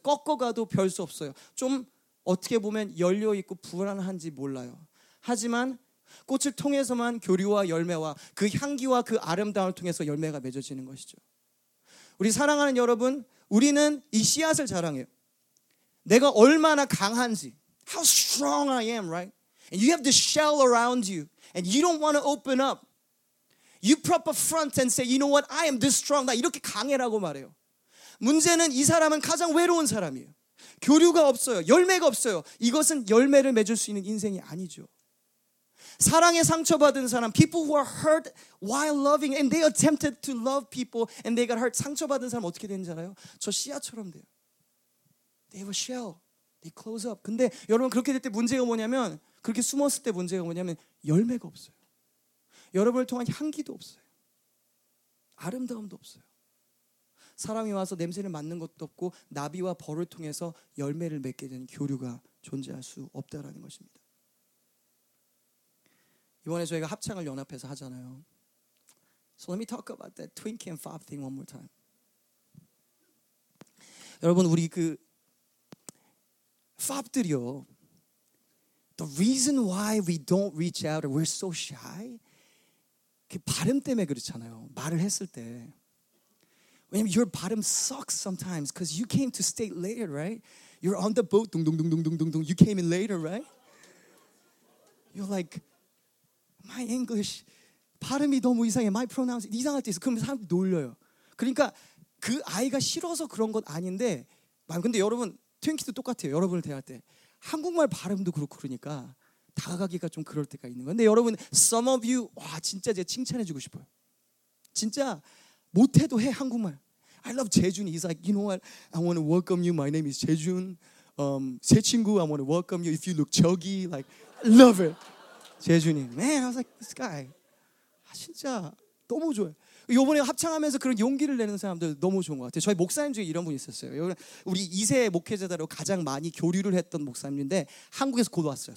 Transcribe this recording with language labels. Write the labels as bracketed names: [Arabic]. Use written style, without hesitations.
[Korean] 꺾어가도 별 수 없어요. 좀 어떻게 보면 열려있고 불안한지 몰라요. 하지만 꽃을 통해서만 교류와 열매와 그 향기와 그 아름다움을 통해서 열매가 맺어지는 것이죠. 우리 사랑하는 여러분, 우리는 이 씨앗을 자랑해요. 내가 얼마나 강한지. [English] How strong I am, right? And you have this shell around you and you don't want to open up. You prop a front and say, you know what? I am this strong. [Korean] 나 이렇게 강해라고 말해요. 문제는 이 사람은 가장 외로운 사람이에요. 교류가 없어요. 열매가 없어요. 이것은 열매를 맺을 수 있는 인생이 아니죠. 사랑에 상처받은 사람, [English] people who are hurt while loving, and they attempted to love people, and they got hurt. [Korean] 상처받은 사람 어떻게 되는지 알아요? 저 씨앗처럼 돼요. [English] They have a shell. They close up. [Korean] 근데 여러분 그렇게 될 때 문제가 뭐냐면, 그렇게 숨었을 때 문제가 뭐냐면 열매가 없어요. 여러분을 통한 향기도 없어요. 아름다움도 없어요. 사람이 와서 냄새를 맡는 것도 없고 나비와 벌을 통해서 열매를 맺게 되는 교류가 존재할 수 없다라는 것입니다. 이번에 저희가 합창을 연합해서 하잖아요. [English] So let me talk about that Twinkie and Fob thing one more time. [Korean] 여러분 우리 그 Fob들이요. [English] The reason why we don't reach out or we're so shy [Korean] 그 발음 때문에 그렇잖아요. 말을 했을 때. 왜냐면 [English] your 발음 sucks sometimes because you came to stay later, right? You're on the boat, 둥둥둥둥둥둥. You came in later, right? You're like, my English, [Korean] 발음이 너무 이상해. [English] My pronouns, [Korean] 이상할 때 있어. 그럼 사람들이 놀려요. 그러니까 그 아이가 싫어서 그런 건 아닌데, 근데 여러분, 트윙키도 똑같아요. 여러분을 대할 때. 한국말 발음도 그렇고 그러니까 다가가기가 좀 그럴 때가 있는 건데 여러분 [English] some of you [Korean] 와 진짜 제가 칭찬해주고 싶어요. 진짜 못해도 해 한국말. [English] I love 재준. He's like, you know what? I want to welcome you. My name is 재준. [Korean] 새 친구. [English] I want to welcome you. If you look chuggy, like, I love it. 재준이. Man, I was like, this guy. [Korean] 아, 진짜 너무 좋아요. 이번에 합창하면서 그런 용기를 내는 사람들 너무 좋은 것 같아요. 저희 목사님 중에 이런 분이 있었어요. 우리 2세 목회자들하고 가장 많이 교류를 했던 목사님인데 한국에서 곧 왔어요.